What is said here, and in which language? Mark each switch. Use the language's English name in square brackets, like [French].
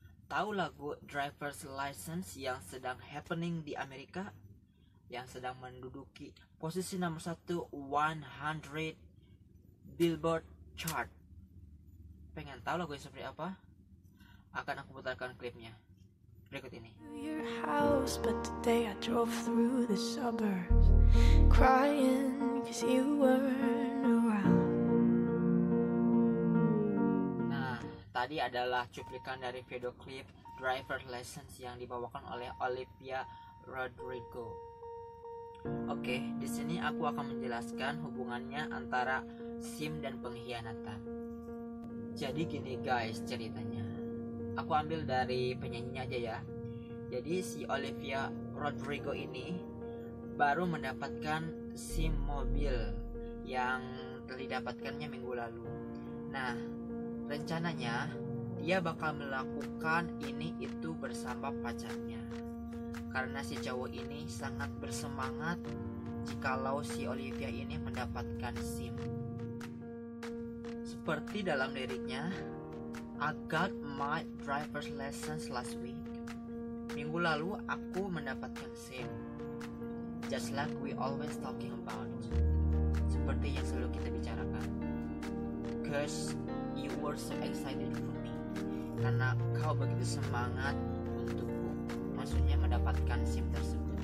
[Indonesian] Tahu lagu Driver's License yang sedang happening di Amerika, yang sedang menduduki posisi nomor 1 100 Billboard chart? Pengen tahu lagu yang seperti apa? Akan aku putarkan klipnya berikut ini. [English] Your house, but today I drove through the suburbs crying 'cause you weren't around. [Indonesian] Tadi adalah cuplikan dari video klip Driver's License yang dibawakan oleh Olivia Rodrigo. Oke, di sini aku akan menjelaskan hubungannya antara SIM dan pengkhianatan. Jadi gini guys ceritanya. Aku ambil dari penyanyinya aja ya. Jadi si Olivia Rodrigo ini baru mendapatkan SIM mobil yang didapatkannya minggu lalu. Nah, rencananya dia bakal melakukan ini itu bersama pacarnya. Karena si cowok ini sangat bersemangat jikalau si Olivia ini mendapatkan SIM. Seperti dalam liriknya, [English] I got my driver's license last week. [Indonesian] Minggu lalu aku mendapatkan SIM. [English] Just like we always talking about. [Indonesian] Seperti yang selalu kita bicarakan. [English] Cause you were so excited for me. [Indonesian] Karena kau begitu semangat untukku. Maksudnya mendapatkan SIM tersebut.